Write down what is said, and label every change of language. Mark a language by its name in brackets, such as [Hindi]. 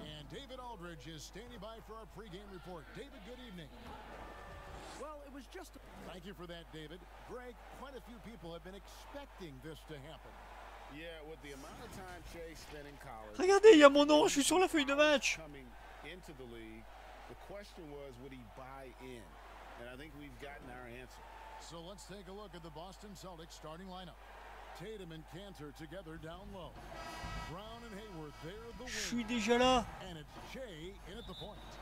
[English] David Aldridge is standing by for our pregame report. David, good evening. Well, it was just a... Thank you for that, David. Greg, quite a few people have been expecting this to happen. Yeah, with the amount of time Chase spent in college. [French] Regardez, il y a mon nom, je suis sur la feuille de match. [English] Coming into the league, the question was, would he buy in? And I think we've gotten our answer. So let's take a look at the Boston Celtics starting lineup. Tatum and Cantor together down low. Brown and Hayward there the wing. [French] Je suis déjà là. [English] And it's Jay in at the point.